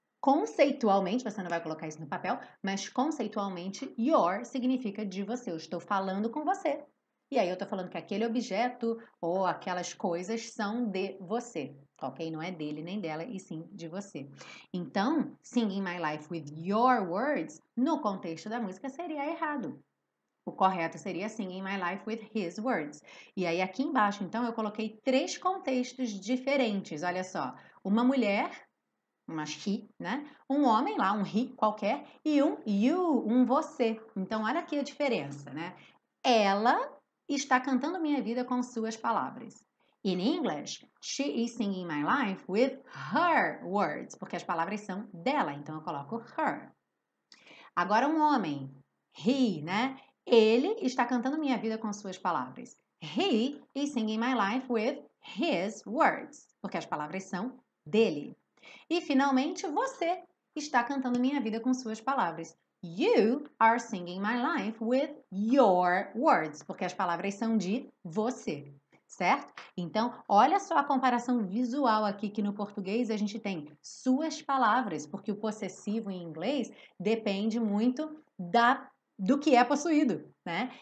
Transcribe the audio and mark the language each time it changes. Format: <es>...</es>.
<pt>Conceitualmente, você não vai colocar isso no papel, mas conceitualmente, your significa de você. Eu estou falando com você. E aí eu estou falando que aquele objeto ou aquelas coisas são de você. Ok? Não é dele nem dela, e sim de você. Então,</pt> <en>singing my life with your words,</en> <pt>no contexto da música, seria errado. O correto seria</pt> <en>singing my life with his words.</en> <pt>E aí, aqui embaixo, então, eu coloquei três contextos diferentes. Olha só. Uma mulher. Uma he, né? Um homem lá, um he qualquer, e um you, um você. Então, olha aqui a diferença, né? Ela está cantando minha vida com suas palavras.</pt> <en>In English, she is singing my life with her words,</en> <pt>porque as palavras são dela, então eu coloco her. Agora, um homem, he, né? Ele está cantando minha vida com suas palavras.</pt> <en>He is singing my life with his words,</en> <pt>porque as palavras são dele. E finalmente, você está cantando minha vida com suas palavras.</pt> <en>You are singing my life with your words,</en> <pt>porque as palavras são de você, certo? Então, olha só a comparação visual aqui que no português a gente tem suas palavras, porque o possessivo em inglês depende muito do que é possuído, né?</pt>